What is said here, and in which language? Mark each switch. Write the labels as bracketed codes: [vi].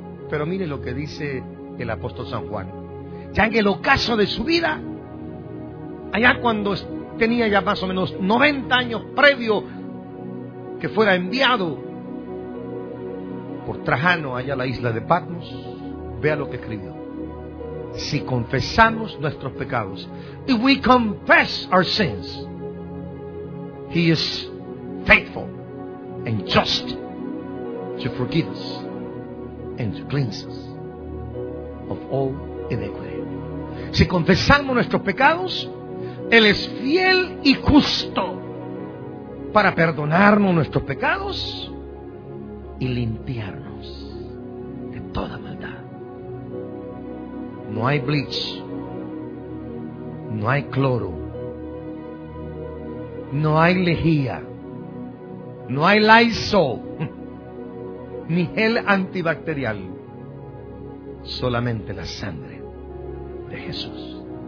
[es] Pero mire lo que dice el apóstol San Juan. Ya en el ocaso de su vida, allá cuando tenía ya más o menos 90 años previo que fuera enviado por Trajano allá a la isla de Patmos, vea lo que escribió. si confesamos nuestros pecados. [en] If we confess our sins, He is faithful and just to forgive us and to cleanse us of all iniquity. [es] Si confesamos nuestros pecados, Él es fiel y justo para perdonarnos nuestros pecados y limpiarnos de toda maldad. No hay [en] bleach, [es] no hay cloro, no hay lejía, no hay Lysol, ni gel antibacterial, solamente la sangre de Jesús.